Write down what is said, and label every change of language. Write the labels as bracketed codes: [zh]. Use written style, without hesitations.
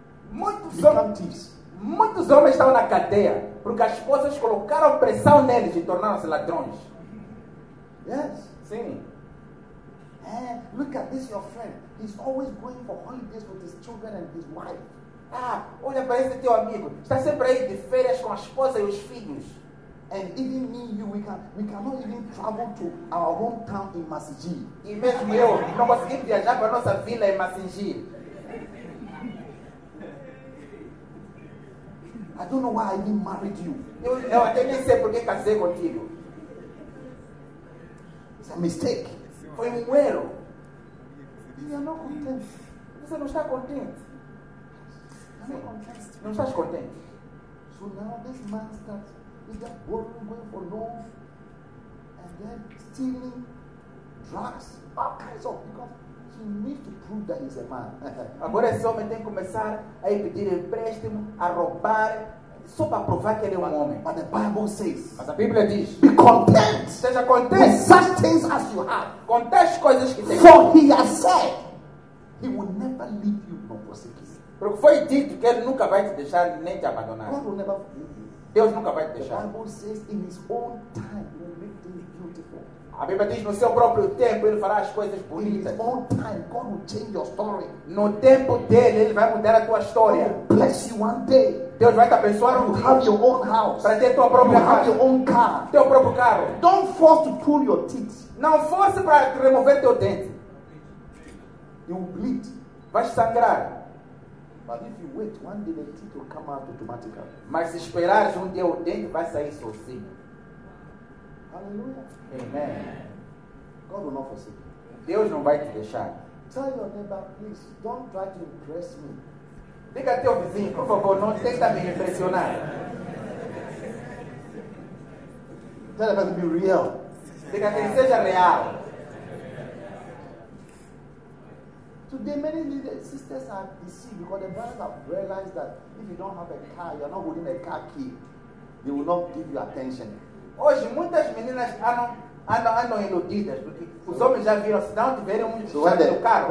[pt] Muitos homens estão na cadeia porque as esposas colocaram pressão neles de tornar-se ladrões. [en] Yes. [pt] Sim. [en] Hey, look at this, your friend. He's always going for holidays with his children and his wife. [pt] Ah, olha para esse teu amigo. Está sempre aí de férias com a esposa e os filhos. [en] And even me, you, we cannot even travel to our hometown in Masiji. [pt] E mesmo eu, não consegui viajar para a nossa vila em Masiji. [en] I don't know why I even married you. [pt] Eu até nem sei por que casei contigo. [en] It's a mistake. [pt] Foi um erro. [en] You are not content. [pt] Você não está contente. Não estás contente. [en] So now this man starts with that working way for love and then stealing drugs, all kinds of, because he needs to prove that he's a man. [pt] Agora esse homem tem que começar a pedir empréstimo, a roubar, só para provar que ele é homem. [en] But the Bible says, [pt] mas a Bíblia diz, [en] be content, [pt] seja contente [en] with such things as you have. [pt] Contente as coisas que tem. [en] For he has said, he will never leave you nor forsake you. [pt] Porque foi dito que ele nunca vai te deixar nem te abandonar. [en] God will never forgive you. [pt] Deus nunca vai te deixar. [en] The Bible says in his own time he will make things beautiful. [pt] A Bíblia diz no seu próprio tempo ele fará as coisas bonitas. [en] In his own time God will change your story. [pt] No tempo dele ele vai mudar a tua história. [en] God will bless you one day. [pt] Deus vai te abençoar. [en] You have your own house. [pt] Para ter tua própria [en] casa. You have your own car. [pt] Teu próprio carro. [en] Don't force to pull your teeth. [pt] Não force para remover teu dente. [en] You will bleed. [pt] Vai sangrar. [en] But if you wait, one day the teeth will come out automatically. [pt] Mas se esperares um dia o dente vai sair sozinho. Hallelujah. Amen. [en] God will not forsake [pt] you. Deus não vai te deixar. [en] Tell your neighbor, please, don't try to impress me. [pt] Diga ao teu vizinho, por favor, não tenta me impressionar. [en] Tell him to be real. [pt] Diga que seja real. [en] Today many sisters are deceived because the brothers have realized that if you don't have a car, you're not holding a car key, they will not give you attention. [pt] Hoje muitas meninas andam iludidas porque os homens já viram, se não tiverem um carro,